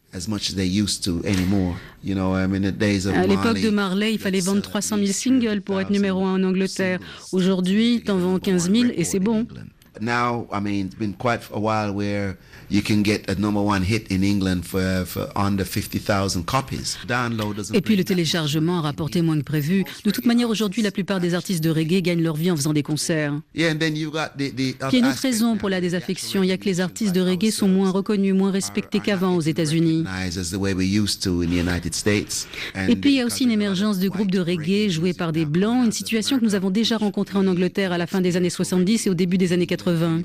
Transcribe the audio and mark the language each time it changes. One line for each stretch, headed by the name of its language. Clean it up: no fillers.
French: À l'époque de Marley, il fallait vendre 300 000 singles pour être numéro 1 en Angleterre. Aujourd'hui, t'en vends 15 000 et c'est bon.
English: Now, I mean, it's been quite a while where you can get a number one hit in England for under 50,000 copies.
French: Et puis le téléchargement a rapporté moins que prévu. De toute manière, aujourd'hui, la plupart des artistes de reggae gagnent leur vie en faisant des concerts. Il y a une autre raison pour la désaffection. Il y a que les artistes de reggae sont moins reconnus, moins respectés qu'avant aux États-Unis. Et puis il y a aussi une émergence de groupes de reggae joués par des blancs, une situation que nous avons déjà rencontrée en Angleterre à la fin des années 70 et au début des années 80.